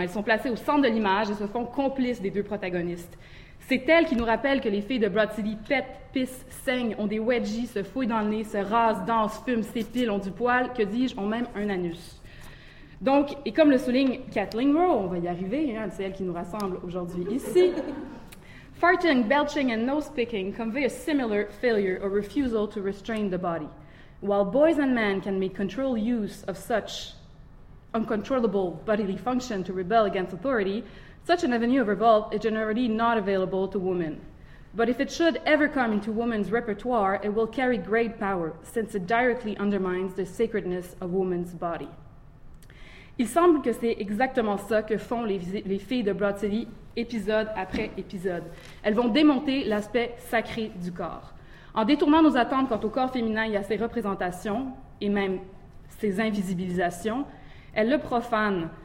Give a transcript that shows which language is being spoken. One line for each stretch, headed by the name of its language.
French: Elles sont placées au centre de l'image et se font complices des deux protagonistes. C'est elles qui nous rappellent que les filles de Broad City pètent, pissent, saignent, ont des wedgies, se fouillent dans le nez, se rasent, dansent, fument, s'épilent, ont du poil, que dis-je, ont même un anus. Donc, et comme le souligne Kathleen Rowe, on va y arriver, hein, c'est elle qui nous rassemble aujourd'hui ici.
English: Farting, belching and nose picking convey a similar failure or refusal to restrain the body. While boys and men can make controlled use of such uncontrollable bodily function to rebel against authority, such an avenue of revolt is generally not available to women. But if it should ever come into women's repertoire, it will carry great power, since it directly undermines the sacredness of woman's body.
French: Il semble que c'est exactement ça que font les filles de Broad City épisode après épisode. Elles vont démonter l'aspect sacré du corps. En détournant nos attentes quant au corps féminin et à ses représentations, et même ses invisibilisations, elles le profanent.